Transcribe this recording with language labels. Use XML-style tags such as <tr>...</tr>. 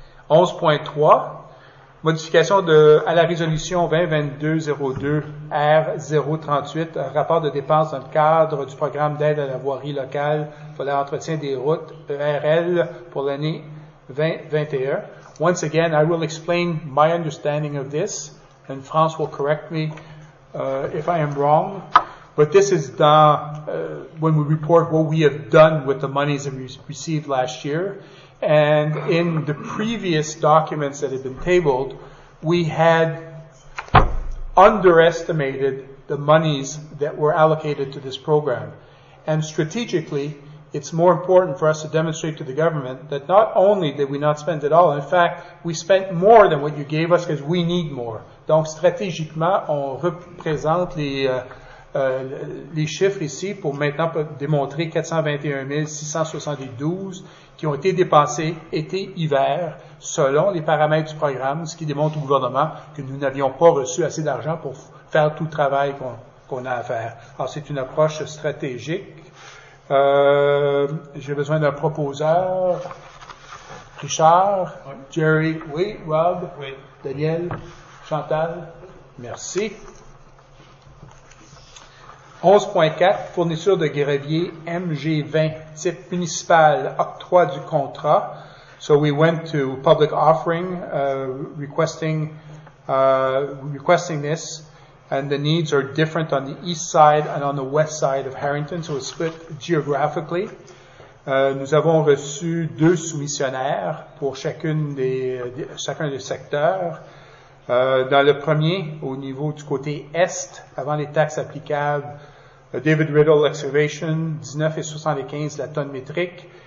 <fr>11.3, modification à la résolution 2022-02-R038, rapport de dépenses dans le cadre du programme d'aide à la voirie locale pour l'entretien des routes ERL pour l'année 2021.</fr> <en>Once again, I will explain my understanding of this, and France will correct me if I am wrong. But this is when we report what we have done with the monies that we received last year. And in the previous documents that had been tabled, we had underestimated the monies that were allocated to this program. And strategically, it's more important for us to demonstrate to the government that not only did we not spend it all, in fact, we spent more than what you gave us because we need more.</en> <fr>Donc, stratégiquement, on représente les, les chiffres ici pour maintenant démontrer 421 672 qui ont été dépassés été-hiver selon les paramètres du programme, ce qui démontre au gouvernement que nous n'avions pas reçu assez d'argent pour faire tout le travail qu'on a à faire. Alors, c'est une approche stratégique. J'ai besoin d'un proposeur. Richard, oui. Jerry, oui, Rob, oui. Daniel, Chantal, merci. 11.4, fourniture de gravier MG20, type municipal, octroi du contrat.</fr> <en>So we went to public offering, requesting this. And the needs are different on the east side and on the west side of Harrington, so it's split geographically.</en> <fr>Nous avons reçu deux soumissionnaires pour chacun des secteurs. Dans le premier, au niveau du côté est, avant les taxes applicables, David Riddle Excavation, 19,75 de la tonne métrique.</fr>